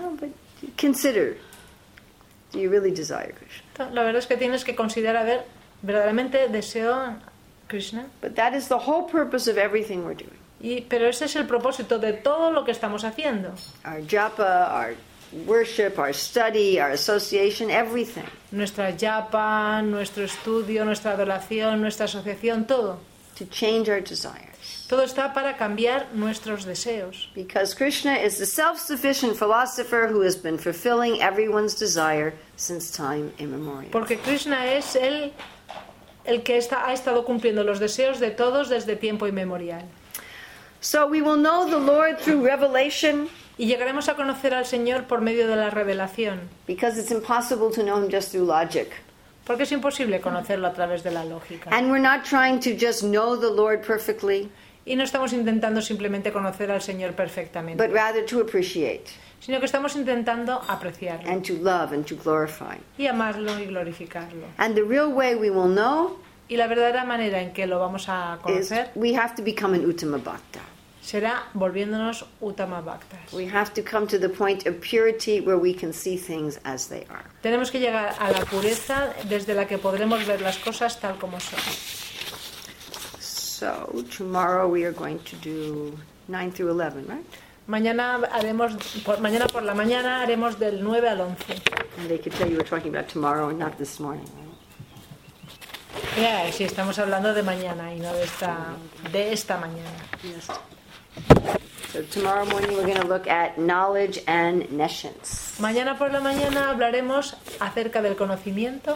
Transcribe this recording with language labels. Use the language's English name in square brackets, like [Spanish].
[English] No, but consider, do you really desire Krishna? [Spanish] La verdad es que tienes que considerar, a ver, verdaderamente deseo Krishna. [English] But that is the whole purpose of everything we're doing. [Spanish] Pero ese es el propósito de todo lo que estamos haciendo. [English] Our japa, our worship, our study, our association, everything. [Spanish] Nuestra japa, nuestro estudio, nuestra adoración, nuestra asociación, todo. [English] To change our desires. [Spanish] Todo está para cambiar nuestros deseos. [English] Because Krishna is the self-sufficient philosopher who has been fulfilling everyone's desire since time immemorial. [Spanish] Porque Krishna es el que ha estado cumpliendo los deseos de todos desde tiempo inmemorial. [English] So we will know the Lord through revelation. [Spanish] Y llegaremos a conocer al Señor por medio de la revelación. [English] Because it's impossible to know him just through logic. [Spanish] Porque es imposible conocerlo a través de la lógica. [English] And we're not trying to just know the Lord perfectly. [Spanish] Y no estamos intentando simplemente conocer al Señor perfectamente. [English] But rather to appreciate. [Spanish] Sino que estamos intentando apreciarlo. [English] And to love and to glorify. [Spanish] Y amarlo y glorificarlo. [English] And the real way we will know. [Spanish] Y la verdadera manera en que lo vamos a conocer. [English] Is we have to become an Uttama Bhakta. [Spanish] Será volviéndonos Uttama Bhaktas. [English] We have to come to the point of purity where we can see things as they are. [Spanish] Tenemos que llegar a la pureza desde la que podremos ver las cosas tal como son. [English] So, tomorrow we are going to do 9 through 11, right? [Spanish] Mañana por la mañana haremos del 9 al 11. [English] And they could tell you we're talking about tomorrow and not this morning, right? [Spanish] Yeah, sí, estamos hablando de mañana y no de esta mañana. [English] Yes. So tomorrow morning we're going to look at knowledge and nescience. [Spanish] Mañana por la mañana hablaremos acerca del conocimiento.